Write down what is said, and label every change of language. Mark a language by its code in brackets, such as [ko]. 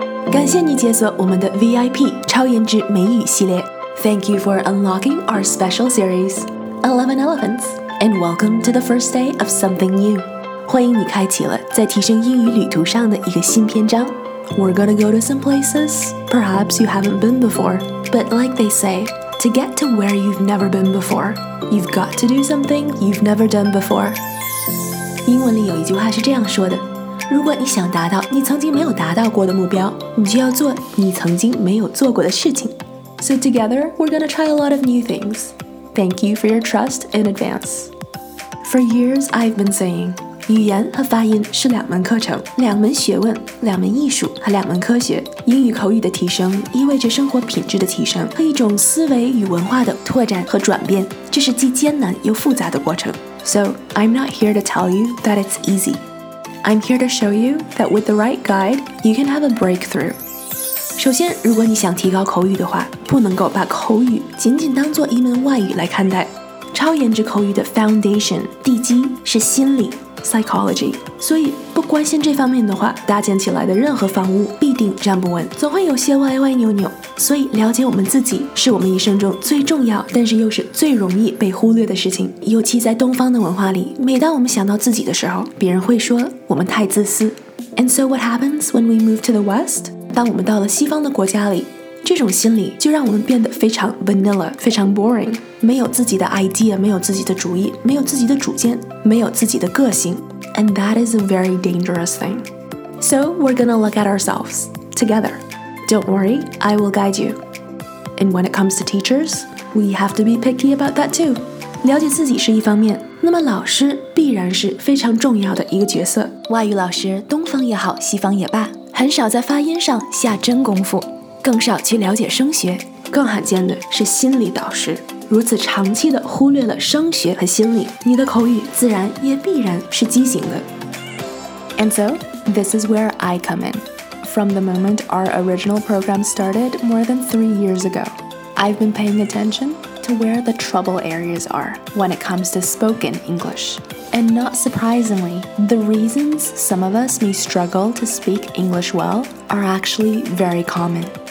[zh] 感谢你解锁我们的 VIP 超颜值美语系列。 [en] Thank you for unlocking our special series, 11 Elephants, and welcome to the first day of something new. [zh] 欢迎你开启了在提升英语旅途上的一个新篇章。 [en] We're gonna go to some places, perhaps you haven't been before. But like they say, to get to where you've never been before, you've got to do something you've never done before. [zh] 英文里有一句话是这样说的，如果你想达到你曾经没有达到过的目标，你就要做你曾经没有做过的事情。 [en] So together, we're gonna try a lot of new things. Thank you for your trust in advance. For years, I've been saying, [zh] 语言和发音是两门课程，两门学问，两门艺术和两门科学。英语口语的提升意味着生活品质的提升和一种思维与文化的拓展和转变，这是既艰难又复杂的过程。 [en] So, I'm not here to tell you that it's easy. I'm here to show you that with the right guide, you can have a breakthrough. [zh] 首先，如果你想提高口语的话，不能够把口语仅仅当作一门外语来看待。超颜值口语的 foundation 地基是心理 psychology， 所以不关心这方面的话，搭建起来的任何房屋必定站不稳，总会有些歪歪扭扭。所以了解我们自己是我们一生中最重要，但是又是最容易被忽略的事情。尤其在东方的文化里，每当我们想到自己的时候，别人会说我们太自私。 [en] And so what happens when we move to the West? [zh] 当我们到了西方的国家里，这种心理就让我们变得非常 vanilla， 非常 boring， 没有自己的 idea， 没有自己的主意，没有自己的主见，没有自己的个性。 [en] And that is a very dangerous thing. So we're gonna look at ourselves together. Don't worry, I will guide you. And when it comes to teachers, we have to be picky about that too. [zh] 了解自己是一方面，那么老师必然是非常重要的一个角色。外语老师，东方也好，西方也罢，很少在发音上下真功夫，更少去了解声学，更罕见的是心理导师。如此长期的忽略了声学和心理，你的口语自然也必然是畸形的。 [en] And so, this is where I come in. From the moment our original program started more than 3 years ago, I've been paying attention to where the trouble areas are when it comes to spoken English. And not surprisingly, the reasons some of us may struggle to speak English well are actually very common.